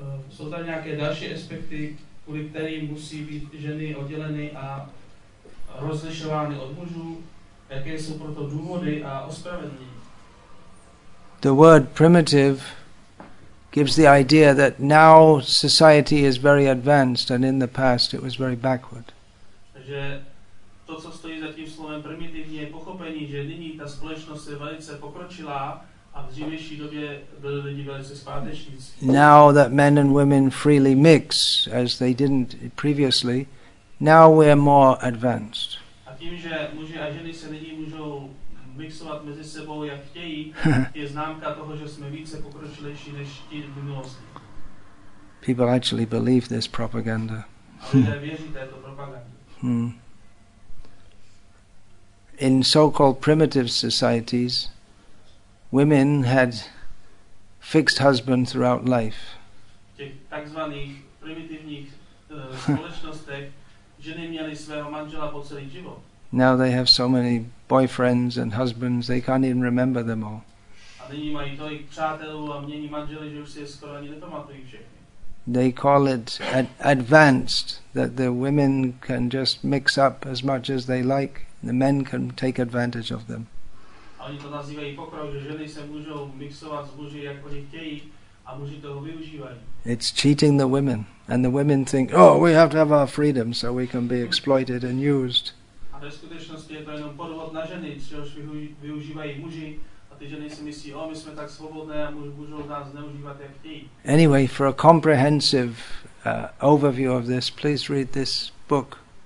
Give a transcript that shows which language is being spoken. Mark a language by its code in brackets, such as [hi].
[sk] Sú tam nejaké ďalšie aspekty, kvôli ktorým musí byť ženy oddelené a rozlišované od mužu? Aké sú proto dôvody a ospravedlnenie? [en] The word primitive gives the idea that now society is very advanced and in the past it was very backward. [cs] Takže to, co stojí za tým slovem primitivní, je pochopení, že nyní ta společnost je velice pokročilá a v dřívější době byli lidi velice zpátečnící. [en] Now that men and women freely mix, as they didn't previously, now we are more advanced. [cs] A tím, že muži a ženy se nyní můžou mixovat mezi sebou, jak chtějí, je známka toho, že jsme více pokročilejší než ti v minulosti. [en] People actually believe this propaganda. [cs] A lidé věří této propagandě. [en] In so-called primitive societies, women had fixed husband throughout life. [cs] Takzvaných primitivních společnostech ženy měly svého manžela po celý život. [en] Now they have so many boyfriends and husbands they can't even remember them all. [cs] A nyní mají tolik přátelů a mění manžely, že už si je skoro ani nepamatují všechny. [en] They call it advanced, that the women can just mix up as much as they like, the men can take advantage of them. [cs] A oni to nazývají pokrok, že ženy se můžou mixovat s muži, jak oni chtějí, a muži toho využívají. [en] It's cheating the women, and the women think, oh, we have to have our freedom so we can be exploited and used. [cs] A ve skutečnosti je to jenom podvod na ženy, což využívají muži. Ty ženy si myslí, my jsme tak svobodné a můžou nás zneužívat, jak chtějí. [en] Anyway, for a comprehensive overview of this, please read this book.